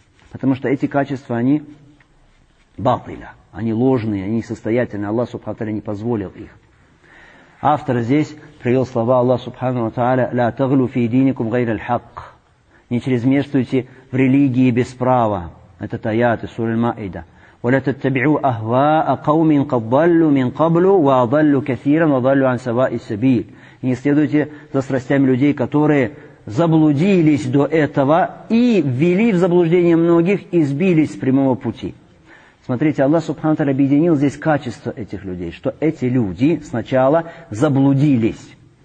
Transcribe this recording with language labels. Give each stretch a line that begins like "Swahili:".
Russian: Потому что эти качества, они батыля, они ложные, они несостоятельные. Аллах субхану тааля не позволил их. Автор здесь привел слова Аллаха субхану тааля:
Arabic: «Ля таглу фи диникум гайра л-хак».
Russian: «Не чрезмерствуйте в религии без права». Это аят из суры Аль-Маида.
Arabic: ولا تتبعوا أهواء قوم قد ضلوا من قبل وضلوا كثيرا وضلوا عن سواء السبيل.
Russian: Не следуйте за страстями людей, которые заблудились до этого и ввели в заблуждение многих и сбились с прямого пути. Смотрите, Аллах субхану тааля объединил здесь качество этих людей, что эти люди сначала заблудились.